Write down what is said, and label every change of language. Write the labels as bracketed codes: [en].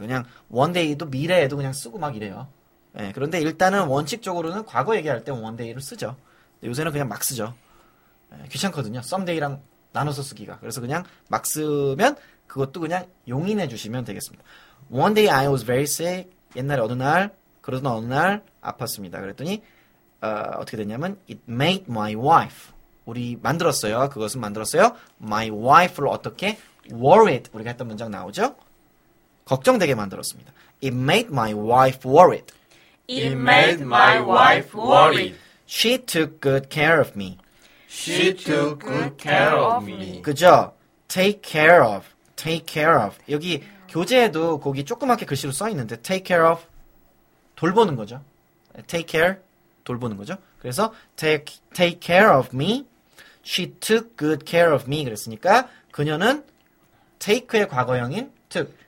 [ko] 그냥 [en] one day [ko] 도 미래에도 그냥 쓰고 막 이래요. 예, 그런데 일단은 원칙적으로는 과거 얘기할 때 one day를 쓰죠. 요새는 그냥 막 쓰죠. 예, 귀찮거든요. someday랑 나눠서 쓰기가. 그래서 그냥 막 쓰면 그것도 그냥 용인해 주시면 되겠습니다. [en] One day I was very sick. [ko] 옛날에 어느 날, 그러던 어느 날 아팠습니다. 그랬더니 어떻게 됐냐면 [en] It made my wife. [ko] 우리 만들었어요. 그것은 만들었어요. [en] My wife를 어떻게? Worried. [ko] 우리가 했던 문장 나오죠? 걱정되게 만들었습니다. [en] It made my wife worried. It made my wife worried. She took good care of me. She took good care of me. [ko] 그죠? [en] Take care of. Take care of. [ko] 여기 교재에도 거기 조그맣게 글씨로 써있는데 [en] Take care of. [ko] 돌보는 거죠. [en] Take care. [ko] 돌보는 거죠. [en] 그래서 take care of me. She took good care of me. [ko] 그랬으니까 그녀는 take의 과거형인 took.